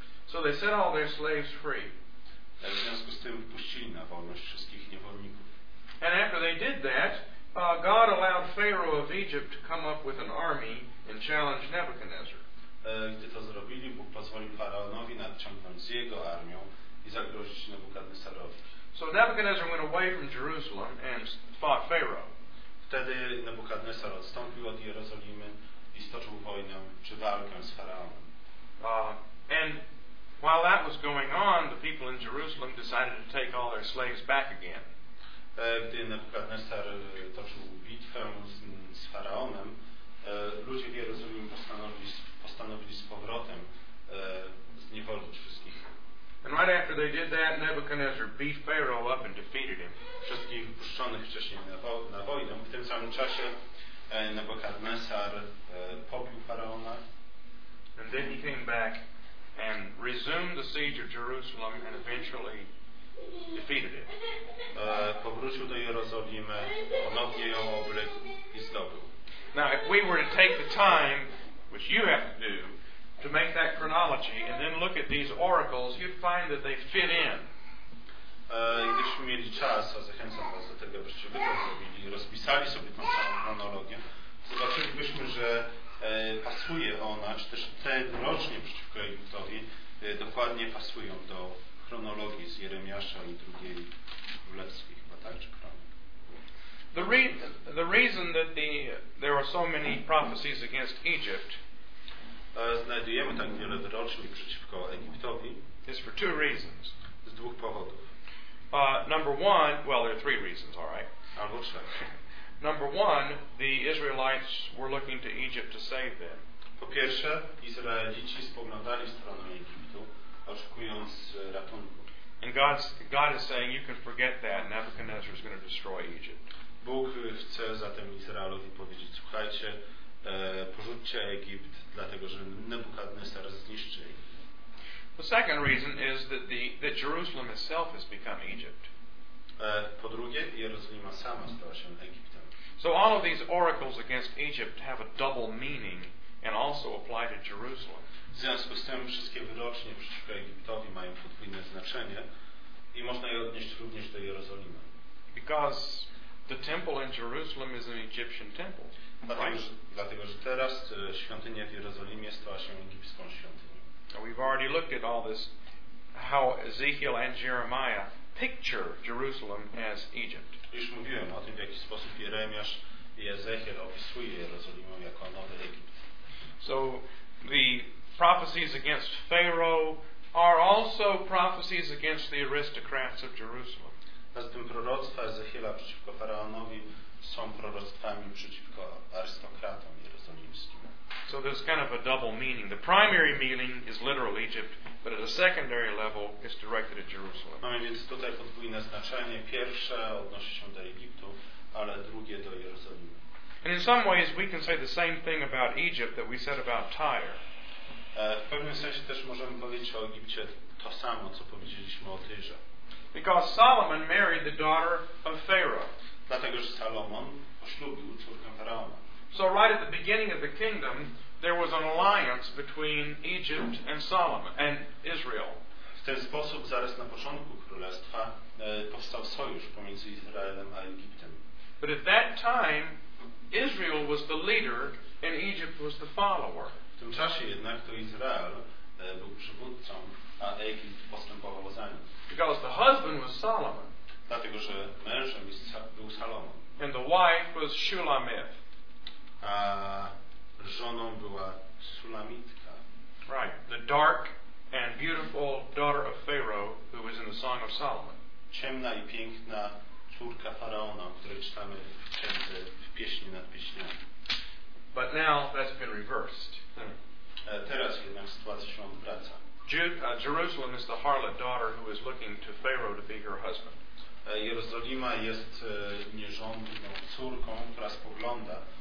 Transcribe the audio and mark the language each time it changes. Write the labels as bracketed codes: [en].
[en] So they set all their slaves free. [pl] W związku z tym puścili na wolność wszystkich niewolników. [en] And after they did that, God allowed Pharaoh of Egypt to come up with an army and challenge Nebuchadnezzar. [pl] Gdy to zrobili, Bóg pozwolił faraonowi nadciągnąć z jego armią i zagrozić Nebukadnesarowi. [en] So Nebuchadnezzar went away from Jerusalem and fought Pharaoh. [pl] Wtedy Nebuchadnezzar odstąpił od Jerozolimy i stoczył wojnę, czy walkę z Faraonem. [en] And While that was going on, the people in Jerusalem decided to take all their slaves back again. [pl] Gdy Nebukadnesar toczył bitwę z Faraonem, ludzie w Jerozolimie postanowili z powrotem zniewolić wszystkich. [en] And right after they did that, Nebuchadnezzar beat Pharaoh up and defeated him. [pl] Wszystkich wpuszczonych wcześniej na wojnę, w tym samym czasie Nebukadnesar pobił Faraona. [en] And then he came back and resumed the siege of Jerusalem and eventually defeated it. [pl] Powrócił do Jerozolimy, ponownie ją obrył i zdobył. [en] Now, if we were to take the time, which you have to do, to make that chronology and then look at these oracles, you'd find that they fit in. [pl] Gdybyśmy mieli czas, a zachęcam was do tego, byście wy to zrobili, rozpisali sobie tą całą chronologię, zobaczylibyśmy, że pasuje ona, czy też te wyrocznie przeciwko Egiptowi dokładnie pasują do chronologii z Jeremiasza i drugiej królewskiej, chyba tak, czy kronik. [en] The reason that there are so many prophecies against Egypt, [pl] znajdujemy tak wiele wyroczni przeciwko Egiptowi, [en] is for two reasons. [pl] Z dwóch powodów. [en] Number one, well, there are three reasons, all right. [pl] Albo trzy. [en] Number one, the Israelites were looking to Egypt to save them. [pl] Po pierwsze, Izraelici spoglądali w stronę Egiptu, oczekując ratunku. [en] And God is saying, you can forget that, Nebuchadnezzar is going to destroy Egypt. [pl] Bóg chce zatem Izraelowi powiedzieć, słuchajcie, porzućcie Egipt, dlatego że Nebukadnesar zniszczy Egipt. [en] The second reason is that that Jerusalem itself has become Egypt. [pl] Po drugie, Jerozolima sama stała się Egiptem. [en] So all of these oracles against Egypt have a double meaning and also apply to Jerusalem. [pl] W związku z tym wszystkie wyrocznie przeciwko Egiptowi mają podwójne znaczenie i można je odnieść również do Jerozolimy. [en] Because the temple in Jerusalem is an Egyptian temple. [pl] Dlatego, że teraz świątynia w Jerozolimie stała się egipską świątynią. [en] We've already looked at all this, how Ezekiel and Jeremiah picture Jerusalem as Egypt. [pl] Już mówiłem o tym, w jaki sposób Jeremiasz i Ezechiel opisuje Jerozolimę jako nowy Egipt. [en] So the prophecies against Pharaoh are also prophecies against the aristocrats of Jerusalem. [pl] Zatem proroctwa Ezechiela przeciwko Faraonowi są proroctwami przeciwko arystokratom jerozolimskim. [en] So there's kind of a double meaning. The primary meaning is literal Egypt, but at a secondary level, it's directed at Jerusalem. [pl] Mamy więc tutaj podwójne znaczenie. Pierwsze odnosi się do Egiptu, ale drugie do Jerozolimy. [en] And in some ways, we can say the same thing about Egypt that we said about Tyre. [pl] W pewnym sensie też możemy powiedzieć o Egipcie to samo, co powiedzieliśmy o Tyrze. [en] Because Solomon married the daughter of Pharaoh. [pl] Dlatego, że Salomon poślubił córkę Faraona. [en] So right at the beginning of the kingdom, there was an alliance between Egypt and Solomon and Israel. [pl] W ten sposób zaraz na początku królestwa powstał sojusz pomiędzy Izraelem a Egiptem. [en] But at that time, Israel was the leader and Egypt was the follower. [pl] W tym czasie jednak to Izrael był przywódcą, a Egipt postępował za nim. [en] Because the husband was Solomon. [pl] Dlatego, że mężem był Salomon. [en] And the wife was Shulamith. [pl] A żoną była Sulamitka. [en] Right, the dark and beautiful daughter of Pharaoh, who was in the Song of Solomon. [pl] Ciemna i piękna córka faraona, której czytamy w pieśni nad pieśniami. [en] But now that's been reversed. [pl] Teraz jednak sytuacja się odwraca. [en] Jerusalem is the harlot daughter who is looking to Pharaoh to be her husband. [pl] Jerozolima jest nierządną córką, która spogląda.